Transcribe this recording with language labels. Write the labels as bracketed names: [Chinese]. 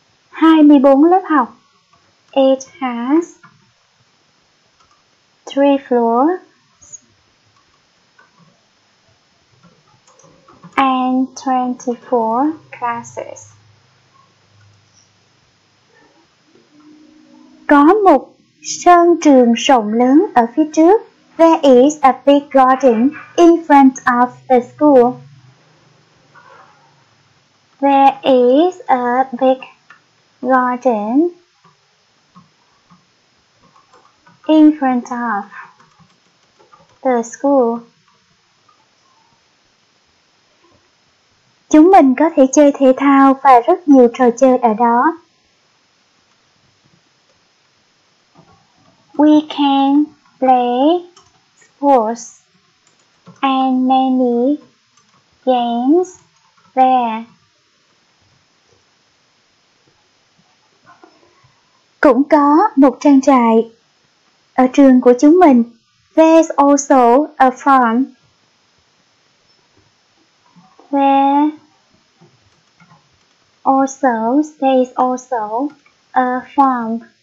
[Vietnamese] 24 lớp học. [English] It has 3 floors and 24 classes. [Vietnamese] Có một sân trường rộng lớn ở phía trước. [English] There is a big garden in front of the school. There is a big garden in front of the school. [Vietnamese] Chúng mình có thể chơi thể thao và rất nhiều trò chơi ở đó. [English] We can play sports and many games there. [Vietnamese] Cũng có một trang trại ở trường của chúng mình. [English] There's also a farm. There's also a farm.